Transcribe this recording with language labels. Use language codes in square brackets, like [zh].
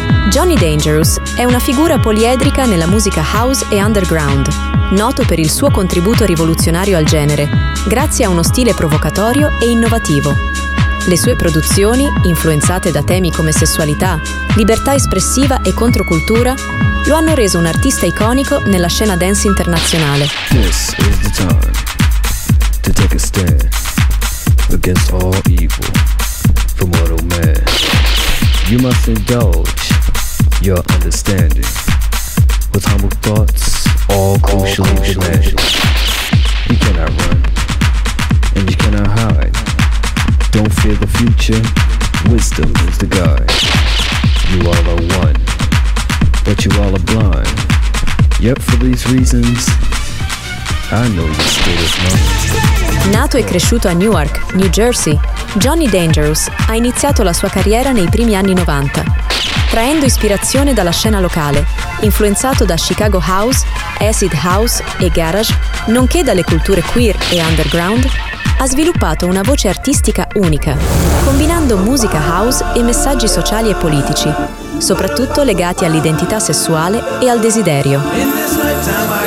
[it] Johnny Dangerous è una figura poliedrica nella musica house e underground, noto per il suo contributo rivoluzionario al genere, grazie a uno stile provocatorio e innovativo. Le sue produzioni, influenzate da temi come sessualità, libertà espressiva e controcultura, lo hanno reso un artista iconico nella scena dance internazionale. [en] This is the time to take a stand against all evil for mortal man. You must indulge your understanding with humble thoughts, all crucially demanded. You cannot run and you cannot hide. Don't fear the future, wisdom is the guide. You all are one, but you all are blind. Yet for these reasons, I know your state is mine. [it] Nato e cresciuto a Newark, New Jersey, Johnny Dangerous ha iniziato la sua carriera nei primi anni 90, traendo ispirazione dalla scena locale, influenzato da Chicago House, Acid House e Garage, nonché dalle culture queer e underground, ha sviluppato una voce artistica unica, combinando musica house e messaggi sociali e politici, soprattutto legati all'identità sessuale e al desiderio.